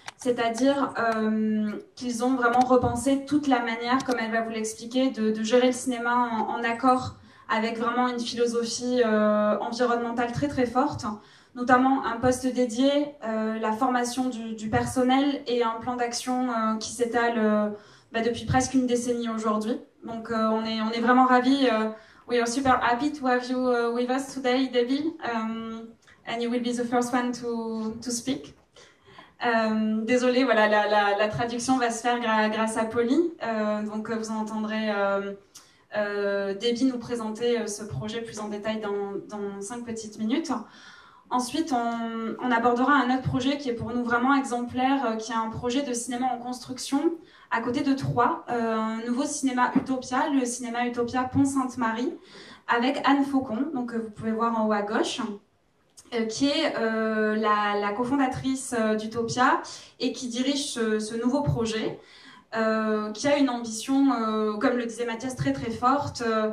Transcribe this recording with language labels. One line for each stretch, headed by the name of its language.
French: C'est-à-dire qu'ils ont vraiment repensé toute la manière, comme elle va vous l'expliquer, de gérer le cinéma en accord avec vraiment une philosophie environnementale très très forte. Notamment un poste dédié, la formation du personnel et un plan d'action qui s'étale bah, depuis presque une décennie aujourd'hui. Donc on est vraiment ravis.
English: We are super happy to have you with us today, Debbie. And you will be the first one to speak.
French: Désolée, voilà, la traduction va se faire grâce à Polly. Donc vous en entendrez Debbie nous présenter ce projet plus en détail dans 5 petites minutes. Ensuite, on abordera un autre projet qui est pour nous vraiment exemplaire, qui est un projet de cinéma en construction à côté de Troyes, un nouveau cinéma Utopia, le cinéma Utopia Pont-Sainte-Marie, avec Anne Faucon, donc, que vous pouvez voir en haut à gauche, qui est la cofondatrice d'Utopia et qui dirige ce nouveau projet, qui a une ambition, comme le disait Mathias, très très forte.